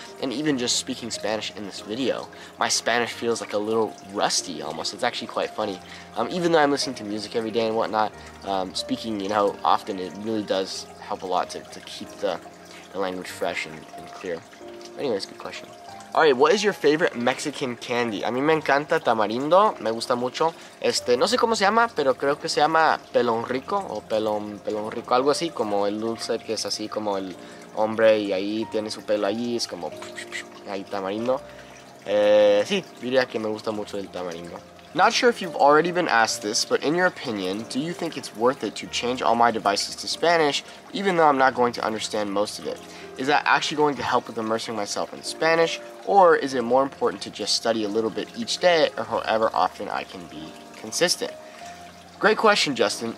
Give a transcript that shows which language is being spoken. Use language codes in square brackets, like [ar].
[en] And even just speaking Spanish in this video, my Spanish feels like a little rusty almost. It's actually quite funny. Even though I'm listening to music every day and whatnot, speaking, you know, often, it really does help a lot to keep the language fresh and clear. Anyways, good question. All right, what is your favorite Mexican candy? [es] A mí me encanta tamarindo, me gusta mucho. No sé cómo se llama, pero creo que se llama pelón rico o pelón rico, algo así, como el dulce que es así como el hombre y ahí tiene su pelo allí, es como ahí tamarindo. Sí, diría que me gusta mucho el tamarindo. [en] Not sure if you've already been asked this, but in your opinion, do you think it's worth it to change all my devices to Spanish, even though I'm not going to understand most of it? Is that actually going to help with immersing myself in Spanish, or is it more important to just study a little bit each day, or however often I can be consistent? Great question, Justin.